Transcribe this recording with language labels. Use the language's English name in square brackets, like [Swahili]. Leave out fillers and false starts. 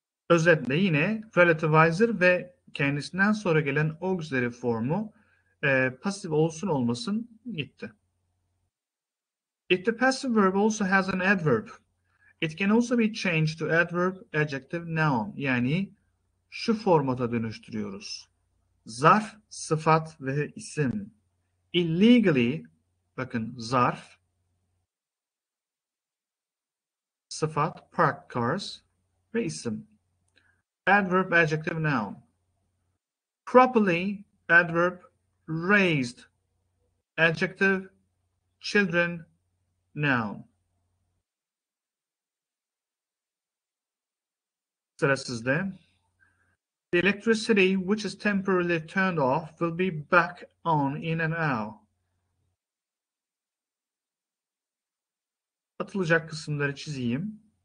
[Turkish] Özetle yine relativizer ve kendisinden sonra gelen auxiliary formu passive olsun olmasın gitti. [English] If the passive verb also has an adverb, it can also be changed to adverb, adjective, noun. [Turkish] Yani şu formata dönüştürüyoruz. Zarf, sıfat ve isim. Illegally, bakın zarf, sıfat, [English] parked cars [Turkish] ve isim. [English] Adverb, adjective, noun. Properly, adverb, raised, adjective, children, noun. [Turkish] Sıra sizde. [English] The electricity which is temporarily turned off will be back on in an hour. [Turkish] Atılacak kısımları çizeyim.